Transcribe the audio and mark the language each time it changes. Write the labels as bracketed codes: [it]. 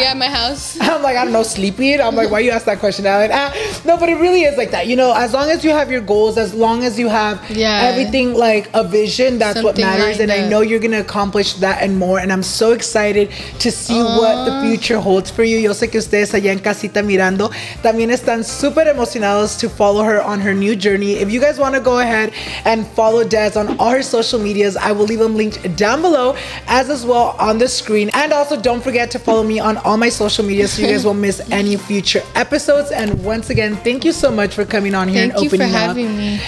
[en] Be at my house. I'm like, I don't know, sleepy. I'm like, why you ask that question? No, but it really is like that. You know, as long as you have your goals, as long as you have everything like a vision, that's something what matters. Like, and I know you're going to accomplish that and more. And I'm so excited to see what the future holds for you. [es] Yo sé que ustedes allá en casita mirando también están super emocionados [en] to follow her on her new journey. If you guys want to go ahead and follow Dez on all her social medias, I will leave them linked down below as well on the screen. And also don't forget to follow me on all my social media so you guys won't miss any future episodes. And once again, thank you so much for coming on here and opening up. Thank you for having me.